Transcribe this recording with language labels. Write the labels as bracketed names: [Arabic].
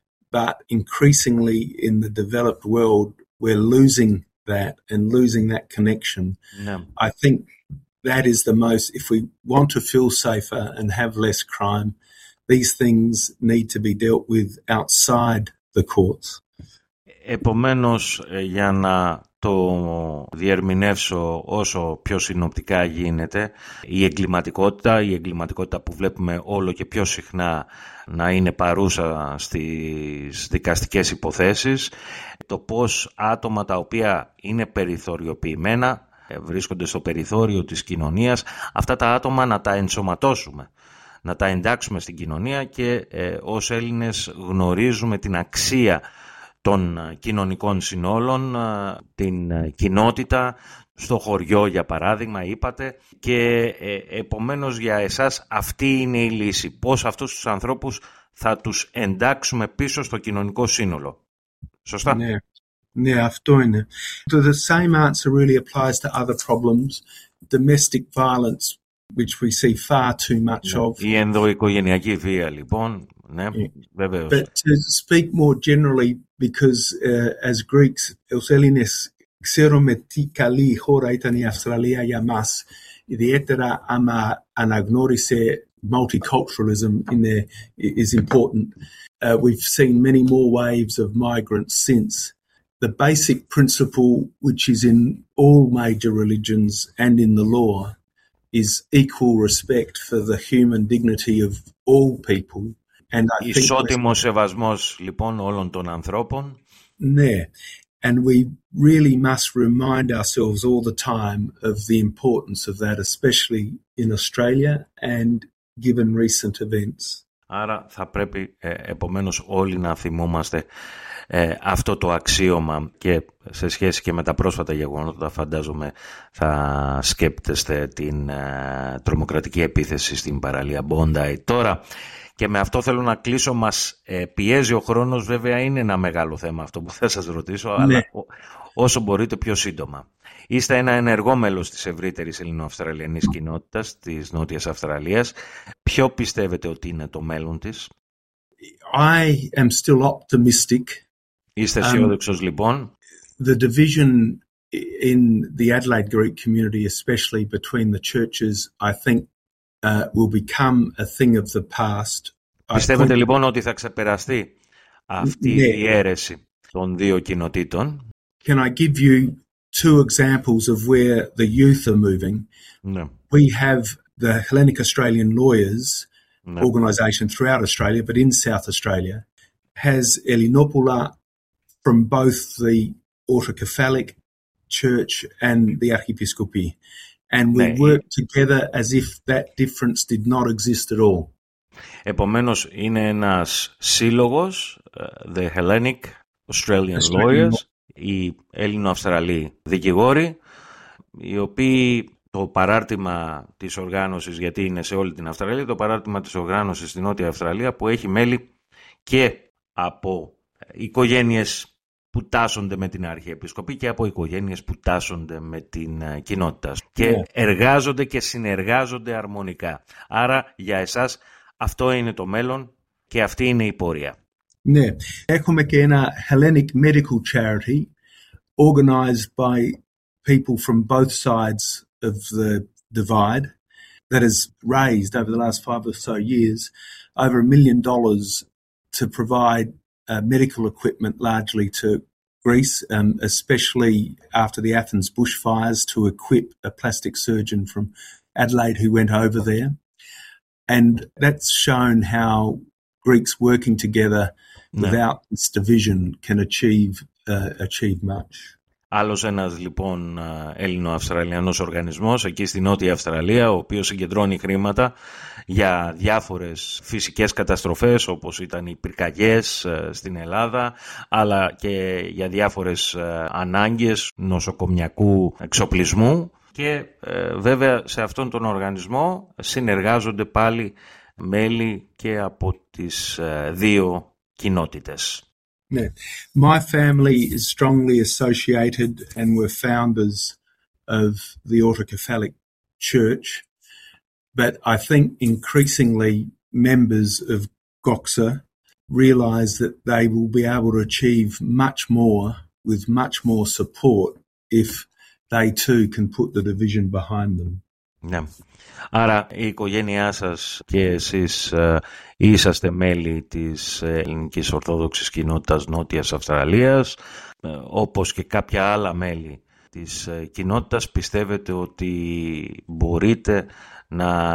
[English] But increasingly in the developed world, we're losing that and losing that connection. No. I think that is the most, if we want to feel safer and have less crime, these things need to be dealt with outside the courts. [Greek] Επομένως, για να το διερμηνεύσω όσο πιο συνοπτικά γίνεται, η εγκληματικότητα που βλέπουμε όλο και πιο συχνά να είναι παρούσα στις δικαστικές υποθέσεις, το πώς άτομα τα οποία είναι περιθωριοποιημένα, βρίσκονται στο περιθώριο της κοινωνίας, αυτά τα άτομα να τα ενσωματώσουμε, να τα εντάξουμε στην κοινωνία και ως Έλληνες γνωρίζουμε την αξία των κοινωνικών συνόλων, την κοινότητα, στο χωριό για παράδειγμα είπατε, και επομένως για εσάς αυτή είναι η λύση. Πώς αυτούς τους ανθρώπους θα τους εντάξουμε πίσω στο κοινωνικό σύνολο. Σωστά. Ναι, ναι, αυτό είναι. [English] The same answer really applies to other problems. Domestic violence, which we see far too much of. [Greek] Η ενδοοικογενειακή βία, λοιπόν. Ναι, βεβαίως. [English] But to speak more generally, because as Greeks, [Greek] ως Έλληνες, ξέρουμε τι καλή χώρα ήταν η Αυστραλία για μας, ιδιαίτερα άμα αναγνώρισε [English] multiculturalism is important. We've seen many more waves of migrants since. The basic principle, which is in all major religions and in the law, is equal respect for the human dignity of all people. And I think [Greek] ισότιμος σεβασμός, λοιπόν, όλων των ανθρώπων. Ναι. [English] And we really must remind ourselves all the time of the importance of that, especially in Australia and given recent events. [Greek] Άρα θα πρέπει επομένως όλοι να θυμόμαστε αυτό το αξίωμα, και σε σχέση και με τα πρόσφατα γεγονότα φαντάζομαι θα σκέπτεστε την τρομοκρατική επίθεση στην παραλία Bondi. Τώρα, και με αυτό θέλω να κλείσω, μας πιέζει ο χρόνος, βέβαια είναι ένα μεγάλο θέμα αυτό που θα σας ρωτήσω, ναι, αλλά όσο μπορείτε πιο σύντομα. Είστε ένα ενεργό μέλος της ευρύτερης ελληνοαυστραλιανής κοινότητας της Νότιας Αυστραλίας. Ποιο πιστεύετε ότι είναι το μέλλον της? [English] I am still optimistic. [Greek] Είστε αισιόδοξος, λοιπόν. [English] The division in the Adelaide Greek community, especially between the churches, I think will become a thing of the past. [Greek] Πιστεύετε λοιπόν ότι θα ξεπεραστεί αυτή η αίρεση των δύο κοινοτήτων? [English] Can I give you two examples of where the youth are moving? [Greek] Ναι. [English] We have the Hellenic Australian Lawyers, [Greek] ναι, [English] organization throughout Australia, but in South Australia, has [Greek] Ελληνόπουλα [English] from both the Autocephalic Church and the Archiepiscopy. And we work together as if that difference did not exist at all. [Greek] Επομένως, είναι ένας σύλλογος, the Hellenic Australian Lawyers, οι Έλληνο-Αυστραλοί δικηγόροι, οι οποίοι το παράρτημα της οργάνωσης, γιατί είναι σε όλη την Αυστραλία, το παράρτημα της οργάνωσης στην Νότια Αυστραλία, που έχει μέλη και από οικογένειες που τάσσονται με την Αρχιεπισκοπή και από οικογένειες που τάσσονται με την κοινότητα. [English] Yeah. [Greek] Και εργάζονται και συνεργάζονται αρμονικά. Άρα για εσάς αυτό είναι το μέλλον και αυτή είναι η πορεία. Ναι. Έχουμε και ένα [English] Hellenic Medical Charity organized by people from both sides of the divide that has raised over the last five or so years over $1 million to provide medical equipment largely to Greece, especially after the Athens bushfires, to equip a plastic surgeon from Adelaide who went over there. And that's shown how Greeks working together without this division can achieve much. [Greek] Άλλος ένας, λοιπόν, Έλληνο-Αυστραλιανός οργανισμός εκεί στη Νότια Αυστραλία, ο οποίος συγκεντρώνει χρήματα για διάφορες φυσικές καταστροφές, όπως ήταν οι πυρκαγιές στην Ελλάδα, αλλά και για διάφορες ανάγκες νοσοκομιακού εξοπλισμού. Και βέβαια σε αυτόν τον οργανισμό συνεργάζονται πάλι μέλη και από τις δύο κοινότητες. [English] Yeah. My family is strongly associated and were founders of the Autocephalic Church. But I think increasingly members of GOXA realize that they will be able to achieve much more with much more support if they too can put the division behind them. [Greek] Ναι. Άρα η οικογένειά σας και εσείς είσαστε μέλη της Ελληνικής Ορθόδοξης Κοινότητας Νότιας Αυστραλίας, όπως και κάποια άλλα μέλη της κοινότητας, πιστεύετε ότι μπορείτε να